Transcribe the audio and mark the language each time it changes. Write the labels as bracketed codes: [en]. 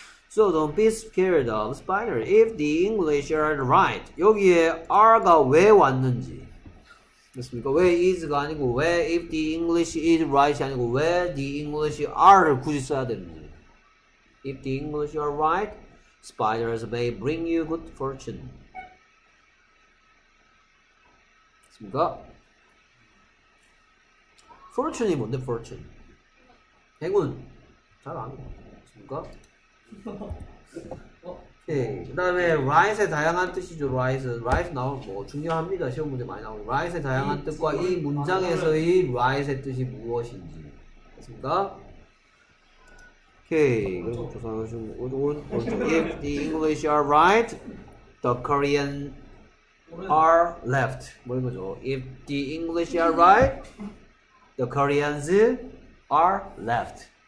[en] So don't be scared of spider if the English are right. [ko] 여기에 R가 왜 왔는지 됐습니까? 왜 is가 아니고 왜 [en] if the English is right [ko] 아니고 왜 [en] the English are [ko] 를 굳이 써야 되는지. [en] If the English are right, spiders may bring you good fortune. [ko] 됐습니까? Fortune이 뭔데 fortune? 행운. 잘 안 됐습니까? 네. 그 다음에 rise의 다양한 뜻이죠. rise. rise 나오면 뭐 중요합니다. 시험 문제 많이 나오고 rise의 다양한 뜻과 이 문장에서의 rise의 뜻이 무엇인지 됐습니까? [en] Okay. If the English are right, the Korean are left. [ko] 뭐 이거죠? [en] If the English are right, the Koreans are left.